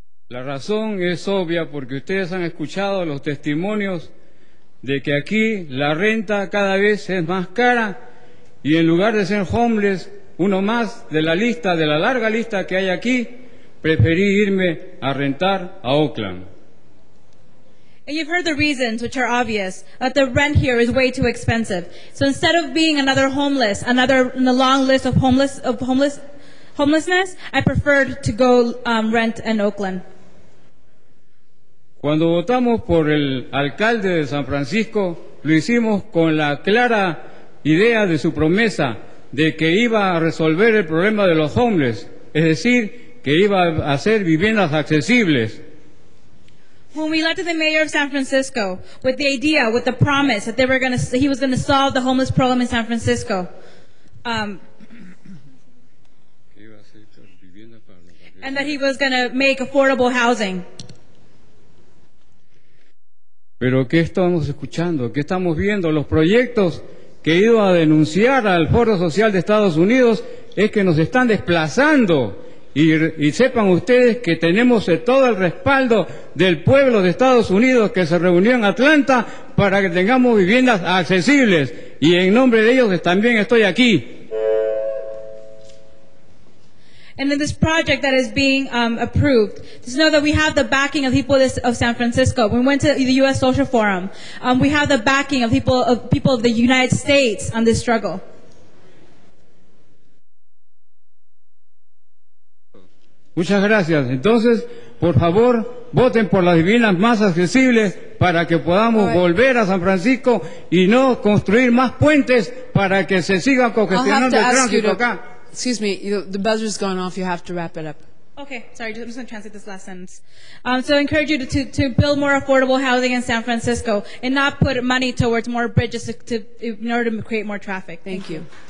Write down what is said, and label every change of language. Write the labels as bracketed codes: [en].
[es] La razón es obvia porque ustedes han escuchado los testimonios de que aquí la renta cada vez es más cara y en lugar de ser homeless, uno más de la lista, de la larga lista que hay aquí, preferí irme a rentar a Oakland. [en] And you've heard the reasons, which are obvious, that the rent here is way too expensive. So instead of being another homeless, another in the long list of homelessness, I preferred to go rent in Oakland. [es] Cuando votamos por el alcalde de San Francisco, lo hicimos con la clara idea de su promesa de que iba a resolver el problema de los homeless, es decir, que iba a hacer viviendas accesibles. [en] When we elected the mayor of San Francisco with the idea, with the promise that he was going to solve the homeless problem in San Francisco, and that he was going to make affordable housing. [es] Pero ¿qué estamos escuchando? ¿Qué estamos viendo? Los proyectos que he ido a denunciar al Foro Social de Estados Unidos es que nos están desplazando. Y sepan ustedes que tenemos todo el respaldo del pueblo de Estados Unidos que se reunió en Atlanta para que tengamos viviendas accesibles. Y en nombre de ellos también estoy aquí. [en] And in this project that is being approved, just know that we have the backing of people of San Francisco. We went to the U.S. Social Forum. We have the backing of people of the United States on this struggle. [es] Muchas gracias. Entonces, por favor, voten por las viviendas más accesibles para que podamos volver a San Francisco y no construir más puentes para que se siga congestionando el tránsito acá. [en] Excuse me, the buzzer is going off. You have to wrap it up. Okay, sorry, I'm just going to translate this last sentence. So I encourage you to build more affordable housing in San Francisco and not put money towards more bridges in order to create more traffic. Thank you.